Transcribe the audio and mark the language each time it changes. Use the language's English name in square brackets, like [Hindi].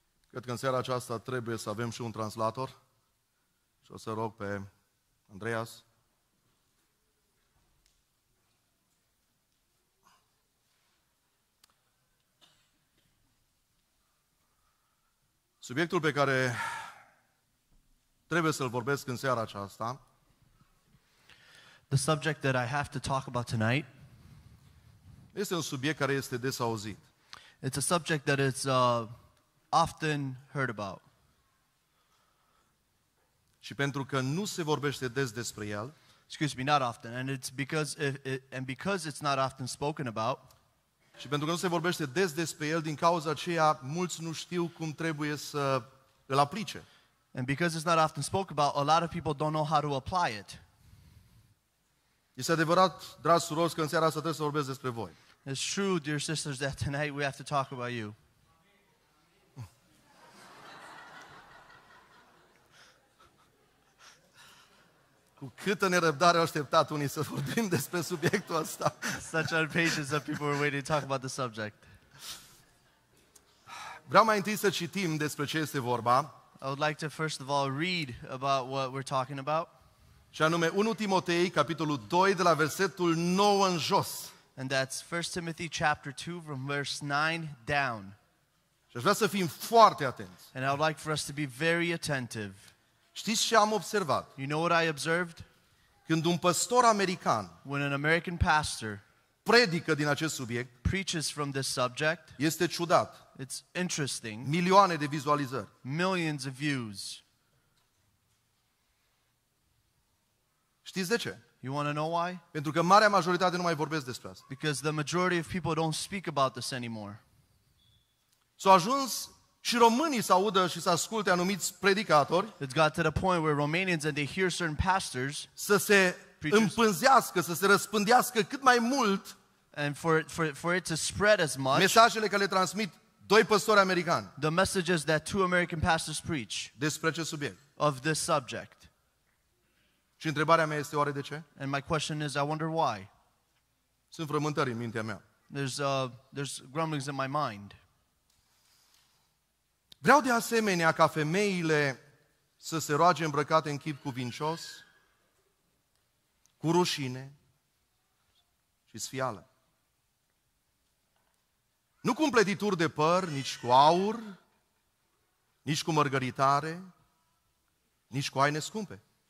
[Romanian] Cred că în seara aceasta trebuie să avem și un translator. Și o să rog pe Andreas. Subiectul pe care trebuie să-l vorbesc în seara aceasta. [English] The subject that I have to talk about tonight. [Romanian] Este un subiect care este des auzit. [English] It's a subject that is often heard about. [Romanian] Și pentru că nu se vorbește des despre el. [English] Excuse me, not often, and it's because because it's not often spoken about. [Romanian] Și pentru că nu se vorbește des despre el, din cauza aceea mulți nu știu cum trebuie să îl aplice. [English] And because it's not often spoken about, a lot of people don't know how to apply it. [Romanian] Este adevărat, dragi surori, că în seara asta trebuie să vorbesc despre voi. [English] It's true, dear sisters, that tonight we have to talk about you. [Romanian] Cu câtă nerăbdare au așteptat unii să vorbim despre subiectul ăsta. [English] Such impatience that people were waiting to talk about the subject. [Romanian] Vreau mai întâi să citim despre ce este vorba. [English] I would like to first of all read about what we're talking about. [Romanian] Și anume 1 Timotei capitolul 2 de la versetul 9 în jos. [English] And that's 1 Timothy chapter 2 from verse 9 down. [Romanian] Și aș vrea să fim foarte atenți. [English] And I would like for us to be very attentive. [Romanian] Știți ce am observat? [English] You know what I observed? [Romanian] Când un pastor american, [English] when an American pastor, [Romanian] predică din acest subiect, [English] preaches from this subject, [Romanian] este ciudat. [English] It's interesting. [Romanian] Milioane de vizualizări. [English] Millions of views. [Romanian] Știți de ce? [English] You want to know why? [Romanian] Pentru că marea majoritate nu mai vorbesc despre asta. [English] Because the majority of people don't speak about this anymore. [Romanian] S-a ajuns și românii să audă și să asculte anumiți predicatori. [English] It's got to the point where Romanians and they hear certain pastors. [Romanian] Să se împânzească, să se răspândească cât mai mult. [English] And for it to spread as much. [Romanian] Mesajele care le transmit doi pastori americani. [English] The messages that two American pastors preach. [Romanian] Despre acest subiect. [English] Of this subject. [Romanian] Și întrebarea mea este oare de ce? [English] And my question is, I wonder why. [Romanian] Sunt frământări în mintea mea. [English] There's grumblings in my mind. [Romanian] Vreau de asemenea ca femeile să se roage îmbrăcate în chip cuvincios, cu rușine și sfială. Nu cu împletituri de păr, nici cu aur, nici cu mărgăritare, nici cu haine scumpe.